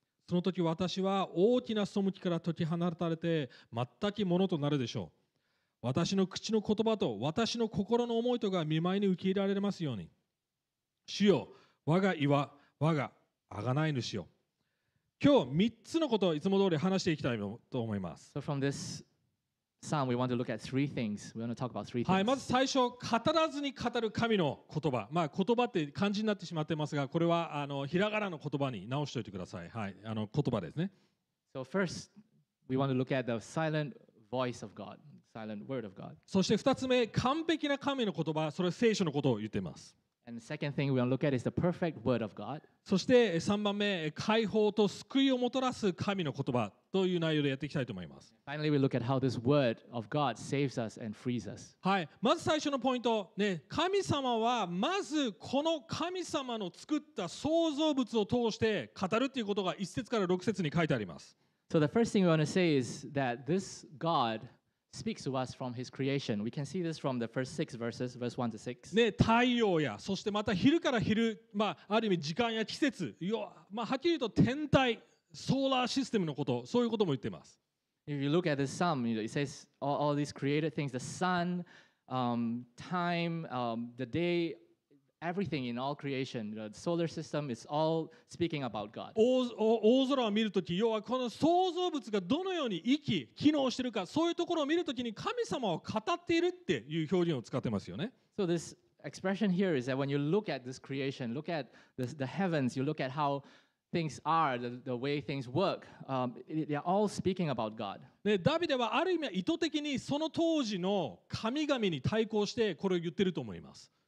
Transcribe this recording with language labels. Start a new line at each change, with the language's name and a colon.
Japanese: その時私は大きな背きから解き放たれて全くものとなるでしょう。私の口の言葉と私の心の思いとが見舞いに受け入れられますように。主よ、我が岩、我が贖い主よ。今日3つのことをいつも通り話していきたいと思います。
English: So from this psalm, we want to look at three things. We want to talk about three things.
Japanese: はい、まず最初、語らずに語る神の言葉。まあ言葉って漢字になってしまってますが、これはひらがなの言葉に直しておいてください。はい、言葉ですね。
English: So first, we want to look at the silent voice of God, silent word of God.
Japanese: そして2つ目、完璧な神の言葉、それは聖書のことを言っています。
English: And the second thing we want to look at is the perfect word of God.
Japanese: そして3番目、解放と救いをもたらす神の言葉という内容でやっていきたいと思います。
English: Finally, we look at how this word of God saves us and frees us.
Japanese: はい、まず最初のポイント、ね、神様はまずこの神様の作った創造物を通して語るということが1節から6節に書いてあります。
English: So the first thing we want to say is that this God... speaks to us from his creation. We can see this from the first six verses, verse 1 to 6.
Japanese: ね、太陽や、そしてまた昼から昼、まあ、ある意味時間や季節、まあ、はっきり言うと天体、ソーラーシステムのこと、そういうことも言ってます。
English: If you look at the sun, it says all these created things, the sun, time, the day, everything in all creation, the solar system, it's all speaking about God.
Japanese: 大空を見るとき、要はこの創造物がどのように生き、機能しているか、そういうところを見るときに神様を語っているっていう表現を使ってますよね。
English: So this expression here is that when you look at this creation, look at the heavens, you look at how things are, the way things work, they are all speaking about God.
Japanese: ね、ダビデはある意味意図的にその当時の神々に対抗してこれを言ってると思います。